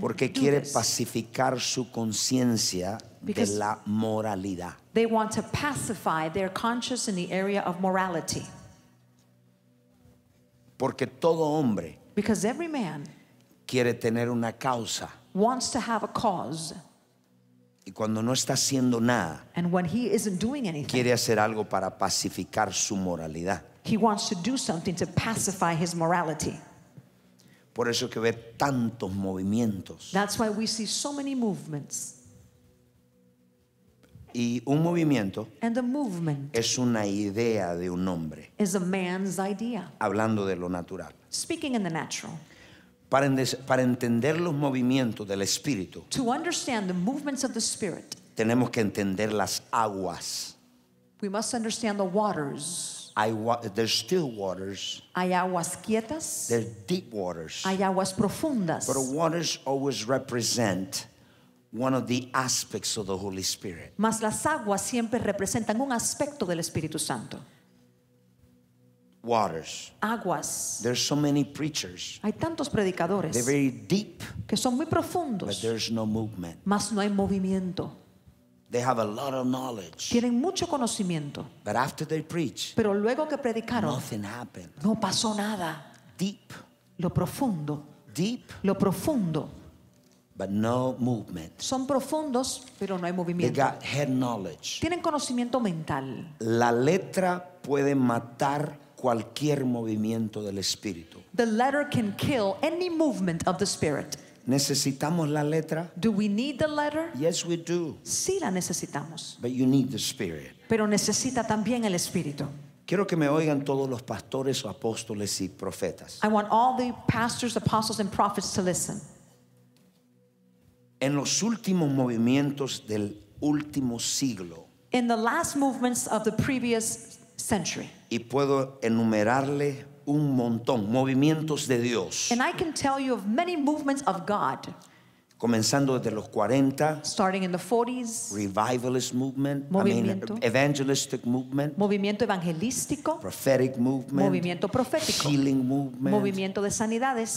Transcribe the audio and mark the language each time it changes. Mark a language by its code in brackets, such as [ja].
[es] Porque quiere pacificar su conciencia de la moralidad. [en] They want to pacify their conscience in the area of morality. [es] Porque todo hombre, [en] because every man, [es] quiere tener una causa, [en] wants to have a cause. [es] Y cuando no está haciendo nada, [en] and when he isn't doing anything, [es] quiere hacer algo para pacificar su moralidad. [en] He wants to do something to pacify his morality. [es] Por eso que ve tantos movimientos. [en] That's why we see so many movements. [es] Y un movimiento [en] and a movement [es] es una idea de un hombre. [en] Is a man's idea. [es] Hablando de lo natural. [en] Speaking in the natural. [es] Para entender los movimientos del Espíritu. [en] To understand the movements of the Spirit. [es] Tenemos que entender las aguas. [en] We must understand the waters. There's still waters. [es] Hay aguas quietas. [en] There's deep waters. [es] Hay aguas profundas. [en] But waters always represent one of the aspects of the Holy Spirit. [es] Mas las aguas siempre representan un aspecto del Espíritu Santo. [en] Waters. [es] Aguas. [en] There's so many preachers. [es] Hay tantos predicadores. [en] They're very deep. [es] Que son muy profundos. [en] But there's no movement. [es] Mas no hay movimiento. [en] They have a lot of knowledge. [es] Tienen mucho conocimiento. [en] But after they preach, [es] pero luego que predicaron, [en] nothing happened. [es] No pasó nada. [en] Deep. [es] Lo profundo. [en] Deep. [es] Lo profundo. [en] But no movement. [es] Son profundos, pero no hay movimiento. [en] They got head knowledge. [es] Tienen conocimiento mental. La letra puede matar cualquier movimiento del espíritu. [en] The letter can kill any movement of the spirit. [es] ¿Necesitamos la letra? [en] Do we need the letter? Yes, we do. [es] Sí, la necesitamos. [en] But you need the spirit. [es] Pero necesita también el espíritu. Quiero que me oigan todos los pastores, apóstoles y profetas. [en] I want all the pastors, apostles and prophets to listen. [es] En los últimos movimientos del último siglo. [en] In the last movements of the previous century. [es] Y puedo enumerarle un montón, movimientos de Dios. [en] And I can tell you of many movements of God. [es] Comenzando desde los 40. [en] Starting in the 40s. Revivalist movement. [es] Movimiento. [en] I mean, evangelistic movement. [es] Movimiento evangelístico. [en] Prophetic movement. [es] Movimiento profético. [en] Healing movement. [es] Movimiento de sanidades.